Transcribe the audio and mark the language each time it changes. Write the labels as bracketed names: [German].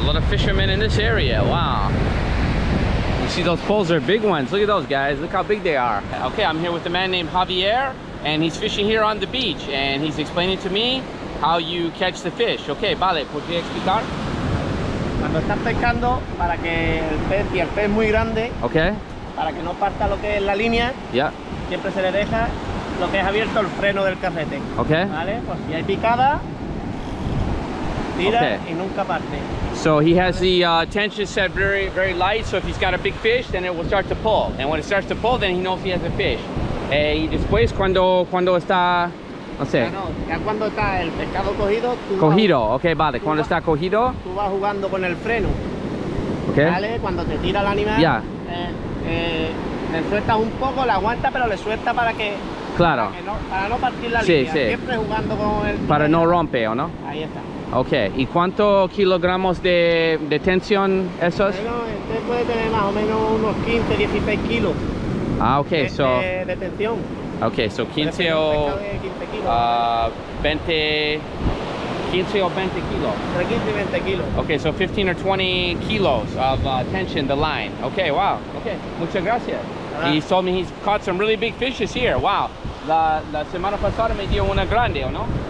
[English] Fishermen in this area. Wow, you see those poles are big ones. Look at those guys, look how big they are. Okay, I'm here with a man named Javier, and he's fishing here on the beach, and he's explaining to me how you catch the fish. [Spanish] Okay, vale, ¿podría explicar? Cuando estás pescando, para que el pez, y el pez muy grande, [English] okay, [Spanish] para que no parta lo que es la línea, [English] yeah, [Spanish] siempre se le deja lo que es abierto, el freno del carrete. [English] Okay, [Spanish] vale, pues si hay picada, tira, okay, y nunca parte. [English] So he has the tension set very, very light. So if he's got a big fish, then it will start to pull. And when it starts to pull, then he knows he has a fish. [Spanish] Y después, cuando está, no sé. Ya cuando está el pescado cogido. Cogido, okay, vale. Cuando está cogido. Tú vas jugando con el freno. [English] Okay. [Spanish] Vale, cuando te tira el animal. [English] Yeah. [Spanish] Le sueltas un poco, la aguanta, pero le suelta para que. Claro. Para no partir la línea. Sí, sí. Siempre jugando con el. Para no rompe, ¿o no? Ahí está. Okay, ¿y cuántos kilogramos de tensión esos? Bueno, este puede tener más o menos unos 15, 16 kilos. [English] Ah, okay, [Spanish] de, [English] so. [Spanish] De tensión. [English] Okay, so 15 o. [Spanish] 15 kilos. 20. 15 o 20 kilos. Entre 15 y 20 kilos. [English] Okay, so 15 or 20 kilos of tension, the line. Okay, wow. [Spanish] Okay, muchas gracias. Uh-huh. [English] He told me he's caught some really big fishes here. Wow. [Spanish] La semana pasada me dio una grande, ¿o no?